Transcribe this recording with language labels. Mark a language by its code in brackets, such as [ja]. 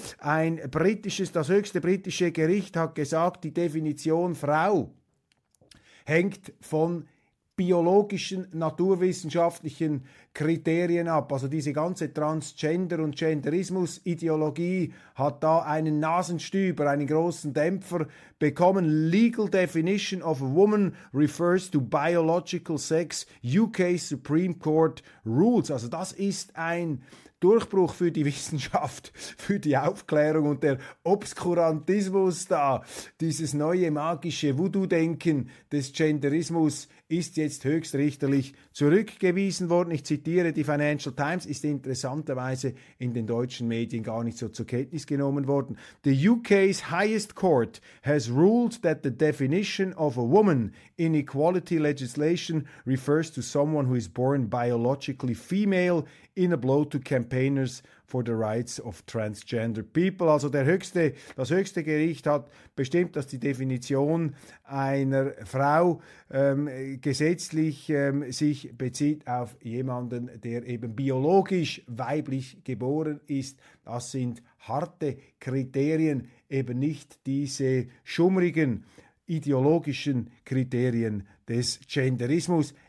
[de] Das höchste britische Gericht hat gesagt, die Definition Frau hängt von biologischen, naturwissenschaftlichen Kriterien ab. Also diese ganze Transgender- und Genderismus-Ideologie hat da einen Nasenstüber, einen großen Dämpfer bekommen. [en] Legal definition of a woman refers to biological sex. UK Supreme Court rules. [de] Also das ist ein Durchbruch für die Wissenschaft, für die Aufklärung und der Obskurantismus da. Dieses neue magische Voodoo-Denken des Genderismus ist jetzt höchstrichterlich zurückgewiesen worden. Ich zitiere die Financial Times, ist interessanterweise in den deutschen Medien gar nicht so zur Kenntnis genommen worden. [en] The UK's highest court has ruled that the definition of a woman in equality legislation refers to someone who is born biologically female in a blow to campaigners for the rights of transgender people. [de] Also das höchste Gericht hat bestimmt, dass die Definition einer Frau gesetzlich sich bezieht auf jemanden, der eben biologisch weiblich geboren ist. Das sind harte Kriterien, eben nicht diese schummrigen ideologischen Kriterien des Genderismus.